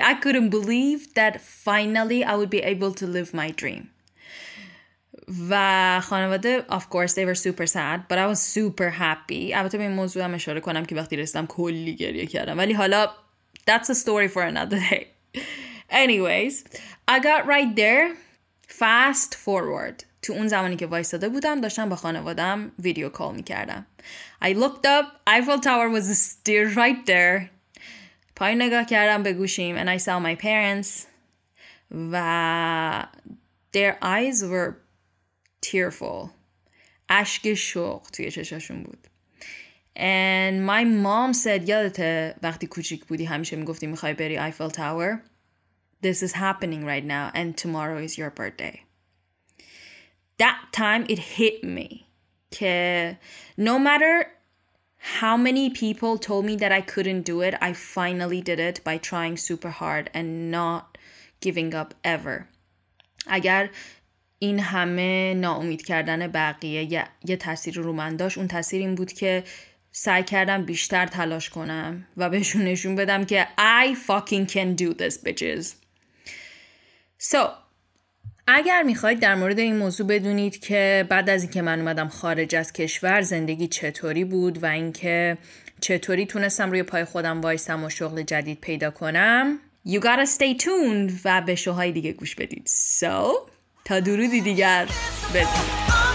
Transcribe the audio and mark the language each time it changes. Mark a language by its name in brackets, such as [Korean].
[English] I couldn't believe that finally I would be able to live my dream. [Persian] و خانواده [English] of course they were super sad, but I was super happy. [Persian] البته به این موضوع هم اشاره کنم که وقتی رسیدم کلی گریه کردم، ولی حالا [English] that's a story for another day. Anyways, I got right there. Fast forward [Persian] تو اون زمانی که وایستاده بودم، داشتم با خانوادم ویدیو کال میکردم. [English] I looked up, Eiffel Tower was still right there. [Persian] پایین نگاه کردم به گوشیم [English] and I saw my parents و their eyes were tearful. [Persian] عشق شوق توی چشاشون بود. [English] And my mom said [Persian] یادته وقتی کوچیک بودی همیشه میگفتی میخوای بری Eiffel Tower. [English] This is happening right now and tomorrow is your birthday. That time it hit me. که no matter how many people told me that I couldn't do it, I finally did it by trying super hard and not giving up ever. [Persian] اگر این همه ناامید کردن بقیه یه تأثیر رو من داشت، اون تأثیر این بود که سعی کردم بیشتر تلاش کنم و بهشون نشون بدم که [English] I fucking can do this, bitches. [Persian] So, اگر میخواید در مورد این موضوع بدونید که بعد از اینکه من اومدم خارج از کشور زندگی چطوری بود و اینکه چطوری تونستم روی پای خودم وایستم و شغل جدید پیدا کنم، [English] You gotta stay tuned [Persian] و به شوهای دیگه گوش بدید. So, تا درودی دیگر بدونید.